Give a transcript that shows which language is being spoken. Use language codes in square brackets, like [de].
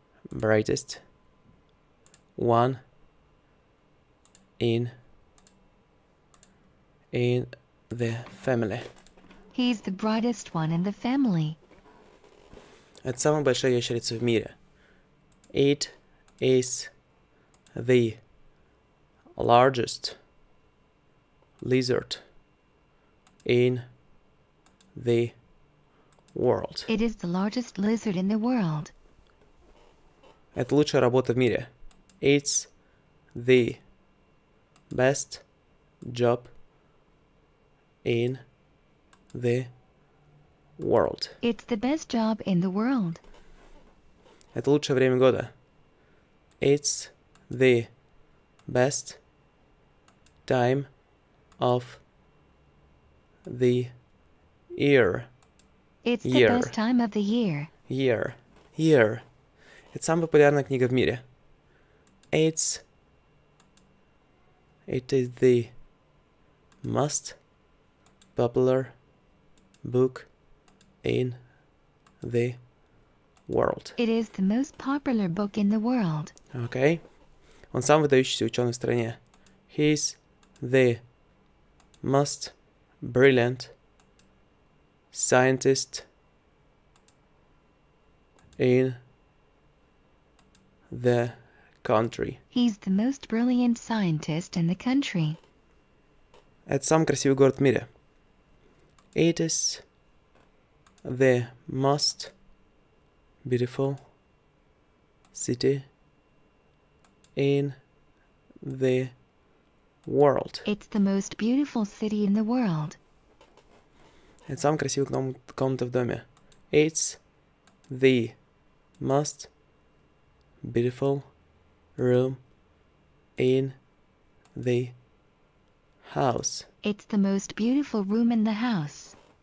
[en] Brightest one in the family. He's the brightest one in the family. [ru] Это самая большая ящерица в мире. [en] It is the largest lizard in the world. It is the largest lizard in the world. [ru] Это лучшая работа в мире. [en] It's the best job in the world. It's the best job in the world. [ru] Это лучшее время года. [en] It's the best time of the year. It's the year. Best time of the year. Year. Year. [ru] Это самая популярная книга в мире. [en] It is the most popular book in the world. It is the most popular book in the world. Okay. [ru] Он сам выдающийся ученый в стране. [en] He is the most brilliant scientist in the country. He's the most brilliant scientist in the country. [ru] Это самый красивый город в мире. [en] It is the most beautiful city in the world. It's the most beautiful city in the world. [ru] Это самый красивый комната в доме. [en] It's the most beautiful room in the house. It's the most beautiful room in the house.